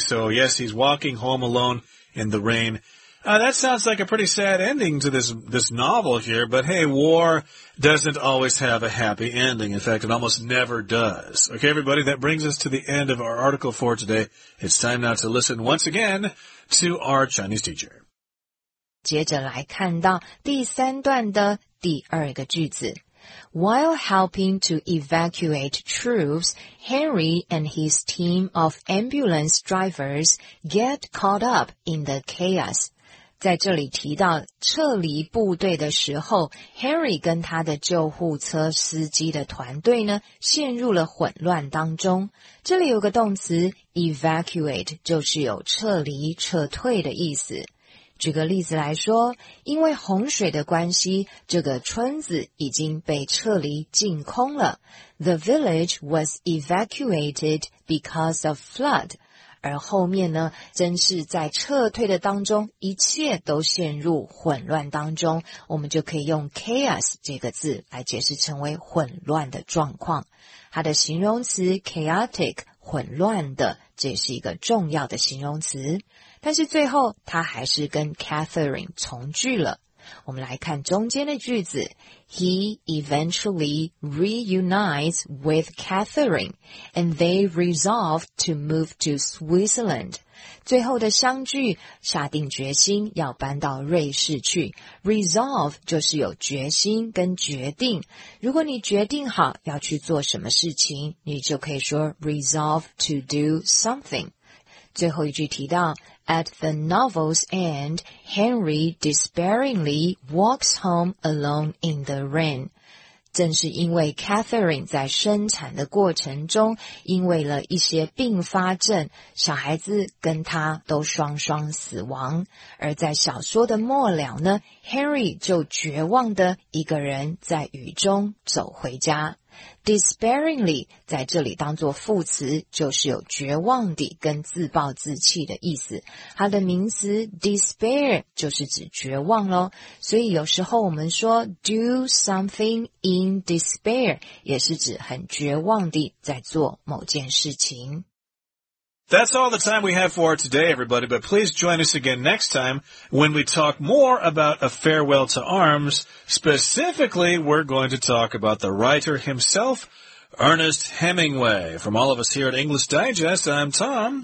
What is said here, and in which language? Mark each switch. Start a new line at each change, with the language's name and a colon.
English: So, yes, he's walking home alone in the rain. That sounds like a pretty sad ending to this novel here. But, hey, war doesn't always have a happy ending. In fact, it almost never does. Okay, everybody, that brings us to the end of our article for today. It's time now to listen once again to our Chinese teacher.
Chinese: 接着来看到第三段的第二个句子。
English: While helping to evacuate troops, Henry and his team of ambulance drivers get caught up in the chaos.
Chinese: 在这里提到撤离部队的时候 ,Henry 跟他的救护车司机的团队呢陷入了混乱当中。这里有个动词 evacuate, 就是有撤离撤退的意思。举个例子来说，因为洪水的关系，这个村子已经被撤离净空了。
English: The village was evacuated because of flood.
Chinese: 而后面呢，真是在撤退的当中，一切都陷入混乱当中。我们就可以用 chaos 这个字来解释成为混乱的状况。它的形容词 chaotic, 混乱的，这是一个重要的形容词。但是最后他还是跟 Catherine 重聚了。我们来看中间的句子。
English: He eventually reunites with Catherine, and they resolve to move to Switzerland.
Chinese: 最后的相聚下定决心要搬到瑞士去。 Resolve 就是有决心跟决定。如果你决定好要去做什么事情，你就可以说
English: resolve to do something。
Chinese: 最后一句提到
English: ,at the novel's end, Henry despairingly walks home alone in the rain.
Chinese: 正是因为 Catherine 在生产的过程中因为了一些并发症小孩子跟他都双双死亡。而在小说的末了呢 ,Henry 就绝望的一个人在雨中走回家。 Despairingly 在这里当作副词就是有绝望地跟自暴自弃的意思它的名词 despair 就是指绝望咯所以有时候我们说
English: do something in despair
Chinese: 也是指很绝望地在做某件事情
English: That's all the time we have for today everybody but please join us again next time when we talk more about A Farewell to Arms Specifically, we're going to talk about the writer himself, Ernest Hemingway. From all of us here at English Digest, I'm Tom.